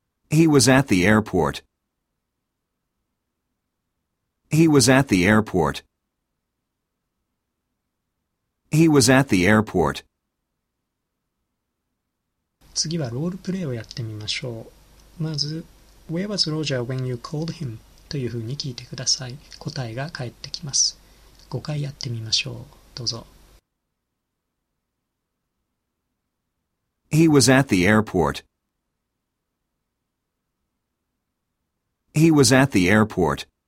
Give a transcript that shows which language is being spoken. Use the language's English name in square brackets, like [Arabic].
[English] He was at the airport. He was at the airport. He was at the airport. [Japanese] 次はロールプレイをやってみましょう。まず、 [English] Where was Roger when you called him? [Japanese] というふうに聞いてください。答えが返ってきます。5回やってみましょう。どうぞ。 [English] He was at the airport. He was at the airport.